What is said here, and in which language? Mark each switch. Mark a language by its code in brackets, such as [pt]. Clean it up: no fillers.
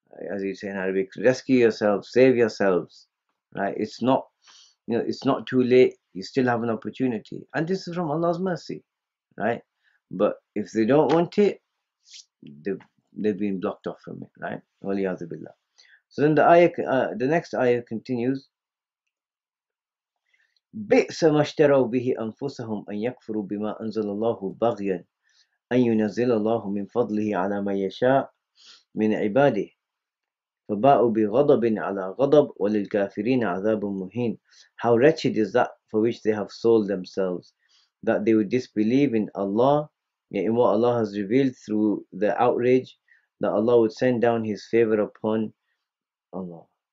[en] As you say in Arabic, rescue yourselves, save yourselves, right? It's not, you know, it's not too late, you still have an opportunity. And this is from Allah's mercy, right? But if they don't want it, they've been blocked off from it, right? Waliyadhu billah. So then the ayah, the next ayah continues, [ar] بِئْسَ مَشْتَرَوْ بِهِ أَنفُسَهُمْ أَن يَكْفُرُوا بِمَا أَنزَلَ اللَّهُ بَغْيًا أَن يُنَزِّلَ اللَّهُ مِنْ فَضْلِهِ عَلَى مَن يَشَاءُ مِنْ عِبَادِهِ. فَبَاءُ بِغَضَبٍ عَلَىٰ غَضَبٍ وَلِلْكَافِرِينَ عَذَابٌ مُهِينٌ [en] How wretched is that for which they have sold themselves, that they would disbelieve in Allah, in what Allah has revealed through the outrage, that Allah would send down His favor upon Allah.